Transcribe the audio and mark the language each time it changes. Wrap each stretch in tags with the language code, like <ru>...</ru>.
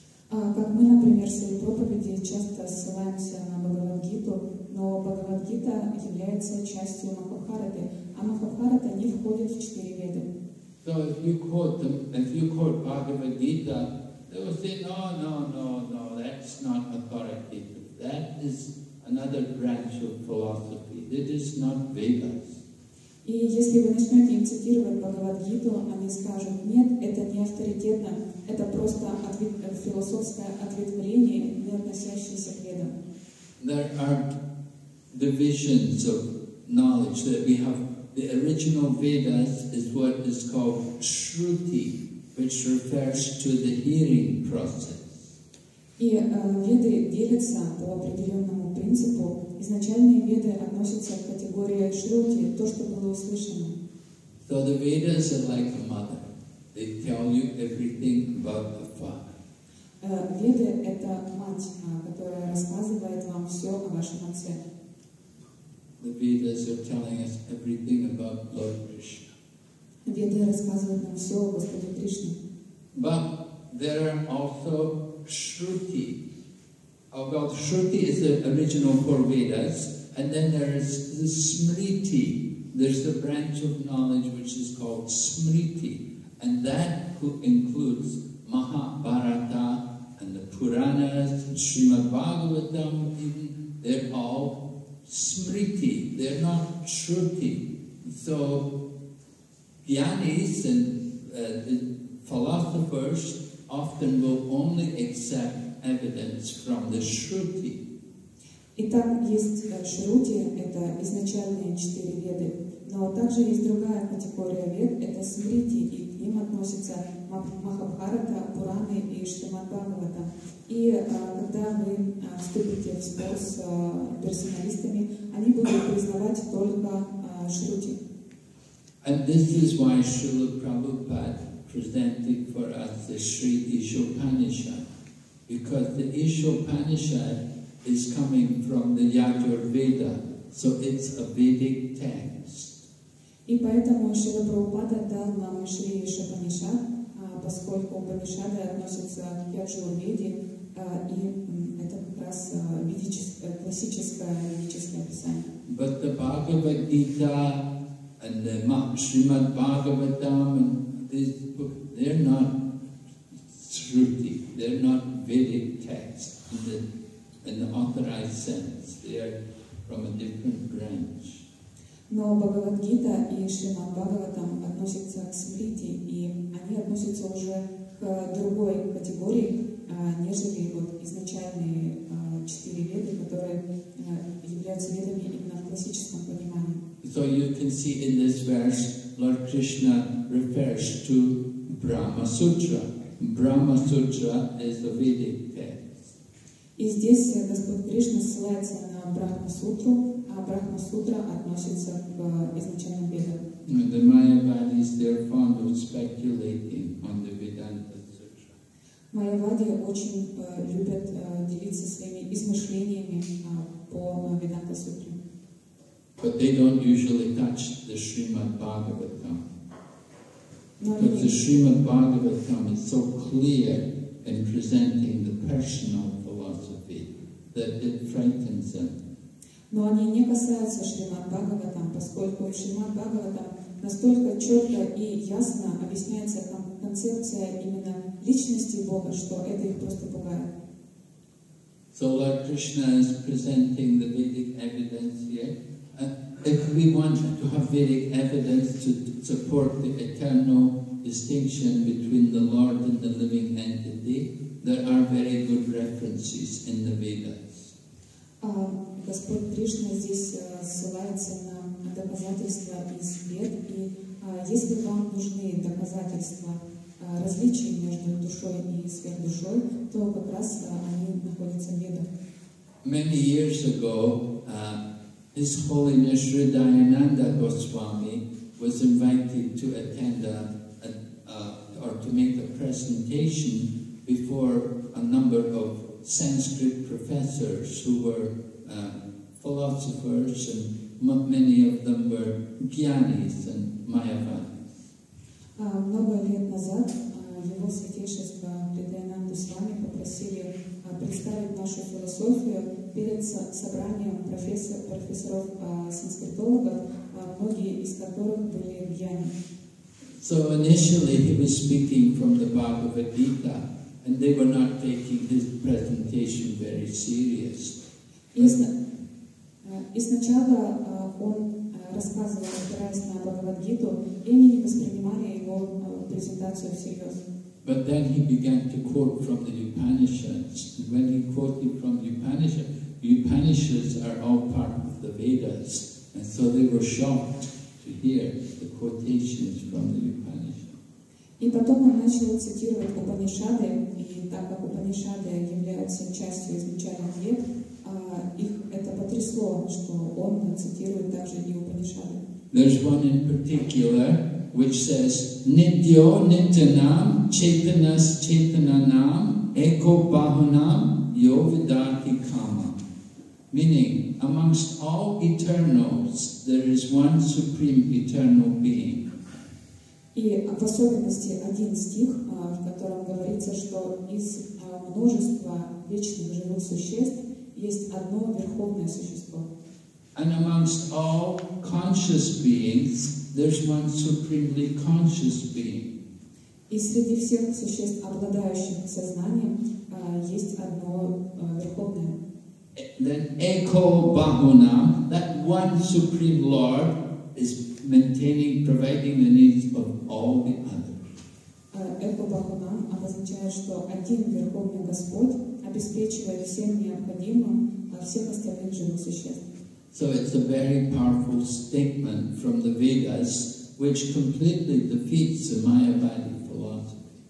<ru>Как мы, например, в своей проповеди часто ссылаемся на Бхагавад Гиту, но Бхагавад Гита является частью Махабхараты, а Махабхарата не входит в четыре Веды.</ru> <en>So if you quote them, if you quote Bhagavad Gita, they will say, no, that's not authoritative. That is another branch of philosophy. It is not Vedas.</en> <ru>И если вы начнете им цитировать Бхагавад Гиту, они скажут, нет, это не авторитетно, это просто философское ответвление, не относящееся к Ведам.</ru> <en>There are divisions of knowledge that we have. The original Vedas is what is called Shruti, which refers to the hearing process.</en> <ru>И Веды делятся по определенному принципу. Изначальные Веды относятся к категории Шрути, то, что было услышано.</ru> <en>So the Vedas are like a mother. They tell you everything about the father.</en> <ru>Веды — это мать, которая рассказывает вам все о вашем отце.</ru> <en>The Vedas are telling us everything about Lord Krishna.</en> <ru>Веды рассказывают нам все о Господе Кришне.</ru> <en>But there are also Shruti. Oh, well, Shruti is the original four Vedas, and then there is the Smriti. There's the branch of knowledge which is called Smriti, and that includes Mahabharata and the Puranas, Srimad Bhagavatam, even. They're all Smriti, they're not Shruti. So, Jnanis and the philosophers often will only accept evidence from the Shruti.</en> <ru>Итак, есть Шрути, это изначальные четыре веды, но также есть другая категория вед, это Смрити, и к ним относятся Махабхарата, Пураны и Шримад Бхагаватам. И когда вы вступите в спор с персоналистами, они будут признавать только Шрути.</ru> <en>And this is why Srila Prabhupada presented for us the Sri Ishopanishad, because the Ishopanishad is coming from the Yajurveda, so it's a Vedic text.</en> <ru>И поэтому Шрила Прабхупада дал нам Шри Ишопанишад, поскольку Упанишады относятся к Яджурведе, и это как раз классическое ведическое описание.</ru> <en>But the Bhagavad Gita and the Srimad Bhagavatam, they're not Shruti, they're not Vedic texts in the authorized sense. They are from a different branch.</en> <ru>Но Бхагавад Гита и Шримад Бхагаватам относятся к Смрити, и они относятся уже к другой категории, нежели вот изначальные четыре веды, которые являются ведами именно в классическом понимании.</ru> <en>So you can see in this verse, Lord Krishna refers to Brahma Sutra. Brahma Sutra is the Vedic text.</en> <ru>И здесь Господь Кришна ссылается на Брахма Сутру, а Брахма Сутра относится к изначальным ведам.</ru> <en>The Mayavadis, they're fond of speculating on the Vedanta Sutra.</en> <ru>Майявади очень любят делиться своими измышлениями по Веданта Сутре.</ru> <en>But they don't usually touch the Srimad Bhagavatam. Because the Srimad Bhagavatam is so clear in presenting the personal philosophy that it frightens them.</en> <ru>Но они не касаются Шримад Бхагаватам, поскольку Шримад Бхагаватам настолько четко и ясно объясняется концепция именно личности Бога, что это их просто пугает.</ru> <en>So Lord Krishna is presenting the Vedic evidence here. If we want to have Vedic evidence to support the eternal distinction between the Lord and the living entity, there are very good references in the Vedas.</en> <ru>Господь Кришна здесь ссылается на доказательства из Вед, и если вам нужны доказательства различий между душой и сверхдушой, то как раз они находятся в Ведах.</ru> <en>Many years ago, His Holiness Sri Dayananda Goswami was invited to attend to make a presentation before a number of Sanskrit professors who were philosophers, and many of them were Jnanis and Mayavadis.</en> <ru>Много лет назад Его Святейшество Sri Dayananda Goswami попросили представить нашу философию перед собранием профессоров санскритологов, многие из которых были гьяни.</ru> <en>So initially he was speaking from the Bhagavad Gita, and they were not taking his presentation very seriously.</en> <ru>Изначально он рассказывал, опираясь на Бхагавад Гиту, и они не воспринимали его презентацию всерьез.</ru> <en>But then he began to quote from the Upanishads. When he quoted from Upanishads are all part of the Vedas, and so they were shocked to hear the quotations from the Upanishads.</en> <ru>И потом он начал цитировать Упанишады, и так как Упанишады являются частью изначальных вед, их это потрясло, что он цитирует также и Упанишады.</ru> <en>There's one in particular which says</en> <sa>Nityo Nityanam Chaitanas Chaitananam Eko Bahunam Yovidati Kama.</sa> <en>Meaning, amongst all eternals, there is one supreme eternal being.</en> <ru>И в особенности один стих, в котором говорится, что из множества вечных живых существ есть одно верховное существо.</ru> <en>And amongst all conscious beings, there's one supremely conscious being.</en> <ru>И среди всех существ, обладающих сознанием, есть одно верховное.</ru> <en>Then Eko Bahuna, that one supreme Lord, is maintaining, providing the needs of all the others.</en> <ru>Eko Bahuna обозначает, что один верховный Господь обеспечивает всем необходимым всех остальных живых существ.</ru> <en>So it's a very powerful statement from the Vedas, which completely defeats the Mayavadi philosophy.</en>